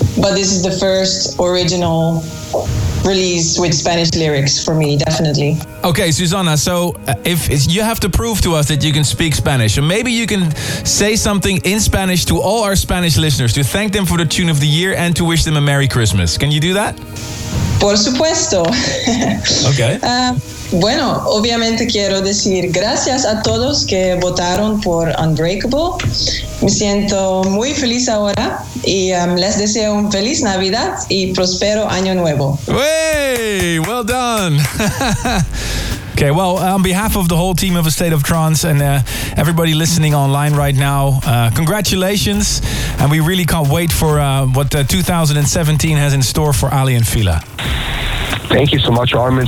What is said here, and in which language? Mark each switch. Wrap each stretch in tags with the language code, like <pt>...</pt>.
<en>But this is the first original release with Spanish lyrics for me, definitely. Okay, Susanna, so if you have to prove to us that you can speak Spanish. So maybe you can say something in Spanish to all our Spanish listeners to thank them for the tune of the year and to wish them a Merry Christmas. Can you do that?</en> <es>Por supuesto.</es> <en>Okay.</en> <es>Bueno, obviamente quiero decir gracias a todos que votaron por Unbreakable. Me siento muy feliz ahora y les deseo un feliz Navidad y próspero año nuevo.</es> <en>Hey, well done. Okay, well, on behalf of the whole team of A State of Trance and everybody listening online right now, congratulations. And we really can't wait for what 2017 has in store for Ali and Fila. Thank you so much, Armin.</en>